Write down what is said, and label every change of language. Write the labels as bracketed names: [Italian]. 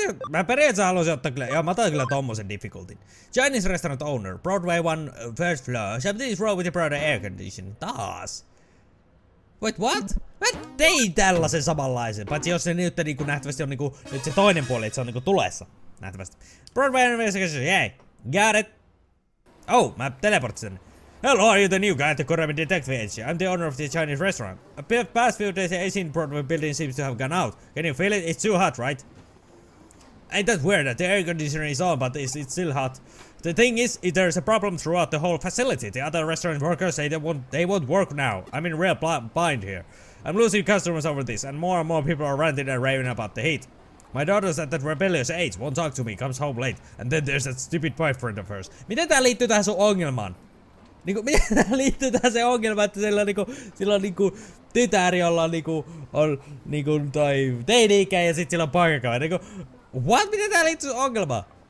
[Finnish] Mä periaatteessa haluaisin ottaa kyllä, joo mä otan kyllä tommosen difficultin. [English] Chinese restaurant owner, Broadway 1, first floor, 17th row with the Broadway air condition, taas. Wait, what? [Finnish] Mä tein tällasen samanlaisen, paitsi jos se nyt niinku nähtävästi on niinku, nyt se toinen puoli, että se on niinku tulessa, nähtävästi. [English] Broadway air condition, yay, got it. Oh, [Finnish] mä teleportin sen. [English] Hello, are you the new guy at the Kurami Detective Agency? I'm the owner of the Chinese restaurant. The past few days, the AC in Broadway building seems to have gone out. Can you feel it? It's too hot, right? Ain't that weird that the air conditioner is on, but it's still hot. The thing is, there's a problem throughout the whole facility. The other restaurant workers say they won't work now. I'm in real bind here. I'm losing customers over this, and more people are ranting and raving about the heat. My daughter's at that rebellious age, won't talk to me, comes home late. And then there's that stupid boyfriend of hers. [Finnish] Miten tää liittyy tähän sun ongelmaan? Niinku, mitä liittyy tähän se ongelma, että sillä on niinku tytär, jolla on niinku toi teini-ikä ja sit sillä on poikakaveri. Niinku, what? Mitä tää liittyy ongelmaan?